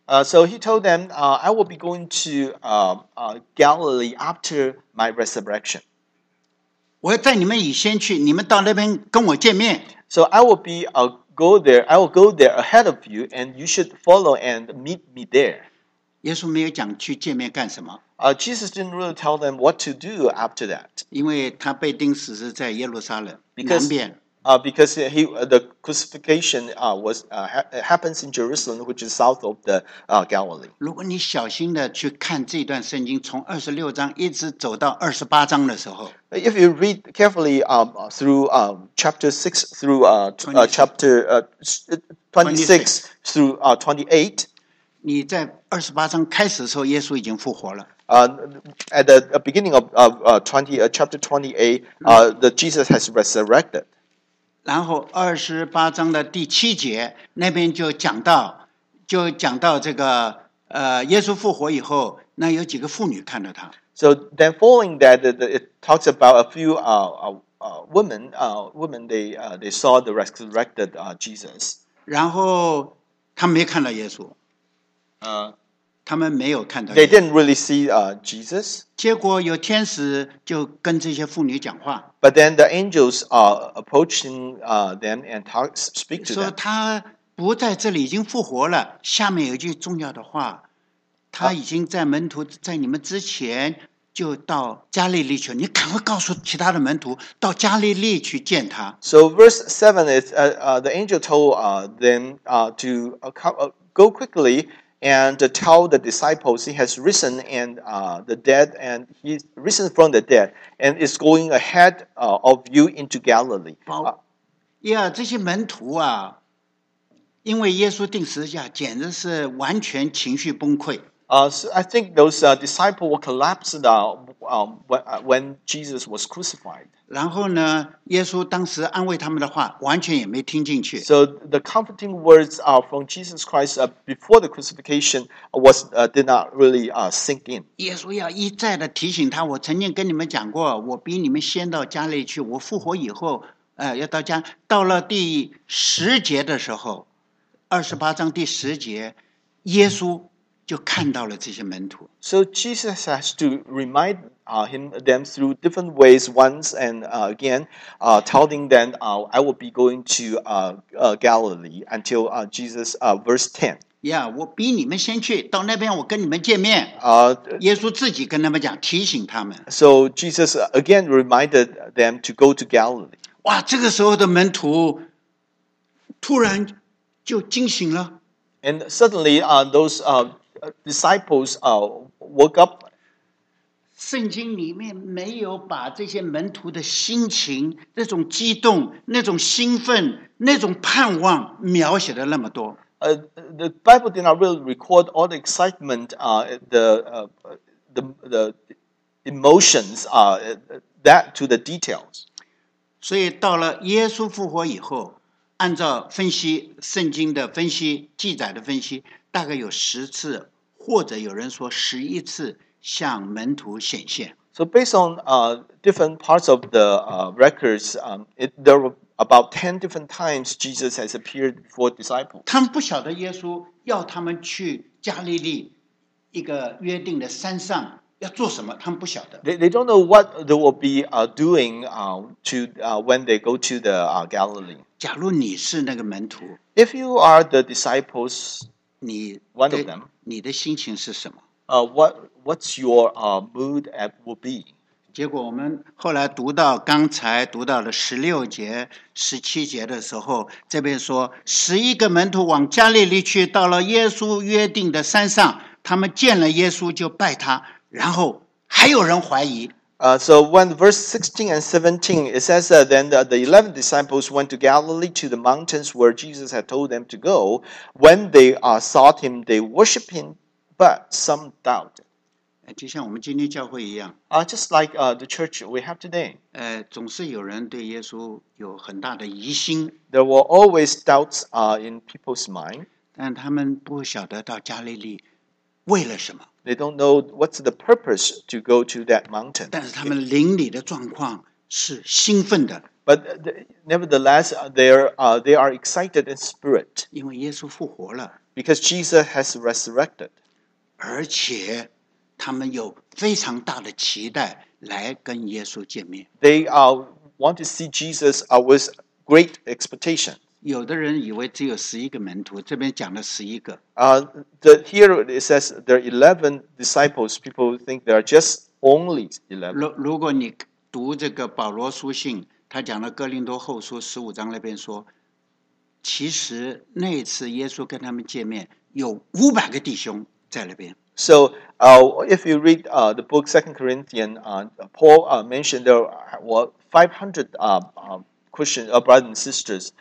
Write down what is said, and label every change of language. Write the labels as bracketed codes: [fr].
[en] So he told them, I will be going to Galilee after my resurrection. [zh] 我要在你们以先去，你们到那边跟我见面。 [en] So I will be a go there. I will go there ahead of you, and you should follow and meet me there. [zh] 耶稣没有讲去见面干什么。 [en] Jesus didn't really tell them what to do after that. [zh] 因为他被钉死是在耶路撒冷南边。 [en] Because the crucifixion happens in Jerusalem, which is south of the Galilee. [zh] 如果你小心的去看这段圣经，从二十六章一直走到二十八章的时候 [en] ，If you read carefully through chapter 6 through chapter 26 through 28, [zh] 你在二十八章开始的时候，耶稣已经复活了。 [en] At the beginning of chapter 28, the Jesus has resurrected. [zh] 然后二十八章的第七节那边就讲到这个耶稣复活以后，那有几个妇女看到他。 [en] So then following that, it talks about a few women they saw the resurrected Jesus. [zh] 然后他没看到耶稣。他们没有看到。 [en] They didn't really see Jesus. [zh] 结果有天使就跟这些妇女讲话。 [en] But then the angels are approaching them and speak to them. [zh] 说他不在这里，已经复活了。下面有一句重要的话，他已经在门徒在你们之前就到加利利去，你赶快告诉其他的门徒到加利利去见他。 [en] So verse 7 is the angel told them to go quickly and tell the disciples he has risen and the dead and he's risen from the dead and is going ahead of you into Galilee. Yeah, [zh] 这些门徒啊，因为耶稣钉十字架，简直是完全情绪崩溃。 [en] So I think those disciples were collapsed when Jesus was crucified. [zh] 然后呢，耶稣当时安慰他们的话，完全也没听进去。 [en] So the comforting words from Jesus Christ before the crucifixion was did not really sink in. [zh] 耶稣要一再的提醒他，我曾经跟你们讲过，我比你们先到加利利去，我复活以后，要到家。到了第十节的时候，二十八章第十节，耶稣。就看到了这些门徒。 [en] So Jesus has to remind them through different ways once and again, telling them, "I will be going to Galilee until Jesus verse 10." Yeah, [zh] 我比你们先去到那边，我跟你们见面。耶稣自己跟他们讲，提醒他们。 [en] So Jesus again reminded them to go to Galilee. [zh] 哇，这个时候的门徒突然就惊醒了。 [en] And suddenly, those disciples woke up. [zh] 圣经里面没有把这些门徒的心情、那种激动、那种兴奋、那种盼望描写的那么多。 [en] The Bible did not really record all the excitement, the emotions, that to the details. [zh] 所以到了耶稣复活以后，按照分析圣经的分析、记载的分析，大概有十次。或者有人说十一次向门徒显现。 [en] So based on different parts of the records, there were about 10 different times Jesus has appeared before disciples. [zh] 他们不晓得耶稣要他们去加利利一个约定的山上要做什么，他们不晓得。 [en] They don't know what they will be doing when they go to the Galilee. [zh] 假如你是那个门徒 [en] ，If you are the disciples, one of them. [zh] 你的心情是什么？ [en] What's your mood at will be? [zh] 结果我们后来读到刚才读到了十六节、十七节的时候，这边说十一个门徒往加利利去，到了耶稣约定的山上，他们见了耶稣就拜他，然后还有人怀疑。 [en] So when verse 16 and 17, it says that then the 11 disciples went to Galilee to the mountains where Jesus had told them to go. When they sought him, they worshipped him, but some doubted. [zh] 就像我们今天教会一样。 [en] Just like the church we have today. [zh] 总是有人对耶稣有很大的疑心。 [en] There were always doubts in people's mind. [zh] 但他们不晓得到加利利为了什么。 [en] They don't know what's the purpose to go to that mountain. [zh] 但是他们灵里的状况是兴奋的。 [en] But nevertheless, they are excited in spirit. [zh] 因为耶稣复活了。 [en] Because Jesus has resurrected. [zh] 而且他们有非常大的期待来跟耶稣见面。 [en] They want to see Jesus with great expectation. [zh] 有的人以为只有十一个门徒，这边讲了十一个。 [en] Here it says there are 11 disciples. People think there are just only 11. [zh] 如果你读这个保罗书信，他讲了哥林多后书十五章那边说，其实那一次耶稣跟他们见面，有五百个弟兄在那边。 [en] So, if you read the book Second Corinthians, Paul mentioned there were 500 Christian brothers and sisters.